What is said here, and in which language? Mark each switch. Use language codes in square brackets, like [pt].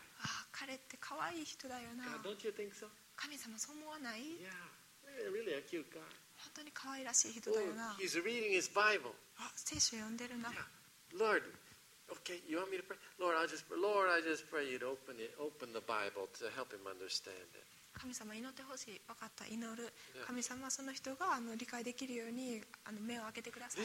[ja] あ、彼って可愛い人だよな。 [en] God, don't you think so? [ja] 神様そう思わない？ [en] Yeah, really a cute guy. [ja] 本当に可愛らしい人だよな。 [en] He's reading his Bible. [ja] あ、聖書読んでるな。 [en] Lord, okay, you want me to pray? Lord, I'll just, Lord, I just pray you'd open it, open the Bible to help him understand it. [ja] 神様祈ってほしい。分かった。祈る。神様その人が理解できるように目を開けてください。